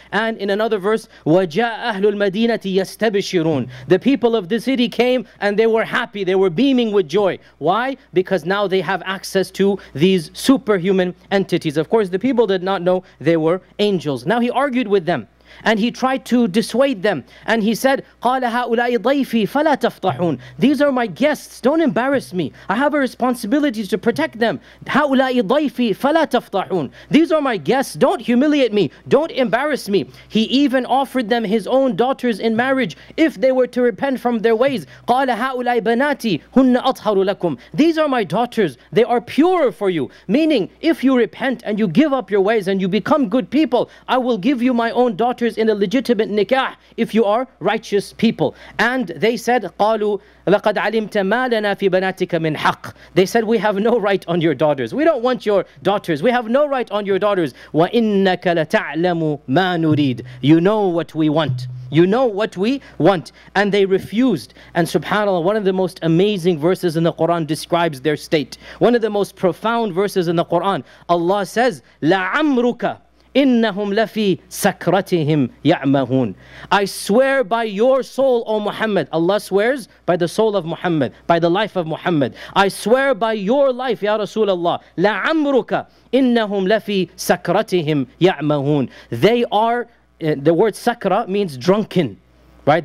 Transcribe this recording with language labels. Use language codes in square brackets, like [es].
[en] And in another verse, [ar] وَجَاءَ أَهْلُ الْمَدِينَةِ يَسْتَبِشِرُونَ. [en] The people of the city came and they were happy, they were beaming with joy. Why? Because now they have access to these superhuman entities. Of course, the people did not know they were angels. Now he argued with them and he tried to dissuade them. And he said, [ar] قَالَ هَؤُلَاءِ ضَيْفِي فَلَا تَفْطَحُونَ. [en] These are my guests, don't embarrass me. I have a responsibility to protect them. [ar] هَؤُلَاءِ ضَيْفِي فَلَا تَفْطَحُونَ. [en] These are my guests, don't humiliate me. Don't embarrass me. He even offered them his own daughters in marriage if they were to repent from their ways. [ar] قَالَ هَؤُلَاءِ بَنَاتِي هُنَّ أَطْهَرُ لَكُمْ. [en] These are my daughters, they are purer for you. Meaning, if you repent and you give up your ways and you become good people, I will give you my own daughters in a legitimate nikah if you are righteous people. And they said, [ar] قَالُوا لَقَدْ عَلِمْتَ مَا لَنَا فِي بَنَاتِكَ مِنْ حَقٍ. [en] They said, we have no right on your daughters. We don't want your daughters. We have no right on your daughters. [ar] وَإِنَّكَ لَتَعْلَمُ مَا نُرِيدُ. [en] You know what we want. You know what we want. And they refused. And subhanAllah, one of the most amazing verses in the Quran describes their state. One of the most profound verses in the Quran. Allah says, [ar] لَعَمْرُكَ إِنَّهُمْ لَفِي سَكْرَتِهِمْ يَعْمَهُونَ. [en] I swear by your soul, O Muhammad. Allah swears by the soul of Muhammad, by the life of Muhammad. I swear by your life, Ya Rasulullah. [ar] لَعَمْرُكَ إِنَّهُمْ لَفِي سَكْرَتِهِمْ يَعْمَهُونَ. [en] They are, the word sakra means drunken, right?